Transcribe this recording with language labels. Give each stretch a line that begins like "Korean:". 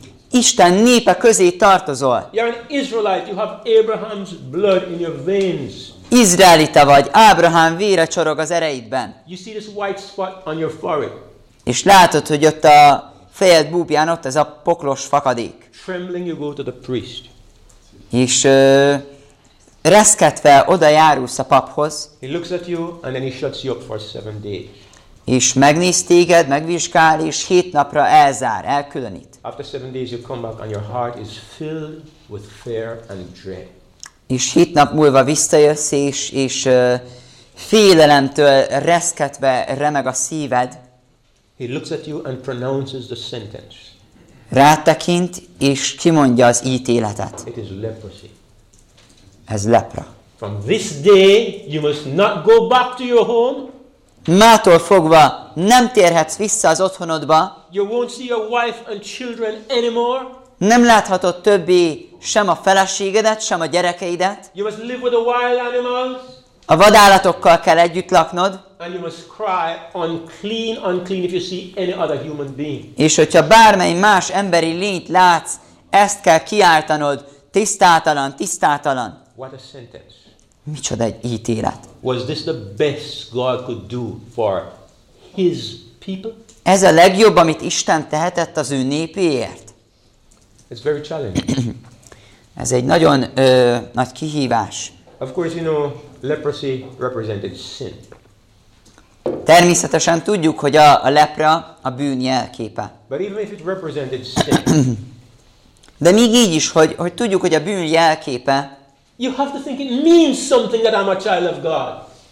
Hungarian: Isten népe közé tartozol.
English: You're an Israelite. You have Abraham's blood in your veins.
Hungarian: Izraelita vagy, Ábrahám vére csorog az ereidben.
English: You see this white spot on your forehead.
Hungarian: És látod, hogy ott a fejed búbján ott ez a poklos fakadék.
English: Trembling you go to the priest.
Hungarian: És reszketve oda járulsz a paphoz.
English: He looks at you and then he shuts you up for 7 days.
Hungarian: És megnéz téged, megvizsgál, és 7 napra elzár, elkülönít.
English: After 7 days you come back and your heart is filled with fear and dread.
Hungarian: És 7 nap múlva visszajössz, és félelemtől reszketve remeg a szíved.
English: He looks at you and pronounces the sentence.
Hungarian: Rátekint, és kimondja az ítéletet.
English: It is leprosy.
Hungarian: Ez lepra.
English: From this day you must not go back to your home.
Hungarian: Mától fogva nem térhetsz vissza az otthonodba.
English: You won't see your wife and children anymore.
Hungarian: Nem láthatod többé sem a feleségedet, sem a gyerekeidet.
English: You must live with the wild animals.
Hungarian: A vadállatokkal kell együtt laknod.
English: And you must cry unclean, unclean if you see any other human being.
Hungarian: És hogyha bármely más emberi lényt látsz, ezt kell kiáltanod, tisztátalan, tisztátalan.
English: What a sentence.
Hungarian: Micsoda egy ítélet.
English: Was this the best God could do for his people?
Hungarian: Ez a legjobb, amit Isten tehetett az ő népéért.
English: It's very challenging.
Hungarian: Ez egy nagyon nagy kihívás.
English: Of course you know leprosy represented sin.
Hungarian: Természetesen tudjuk, hogy a lepra a bűn jelképe.
English: But even if it represented sin.
Hungarian: De még így is, hogy tudjuk, hogy a bűn jelképe.
English: You have to think it means something that I'm a child of God.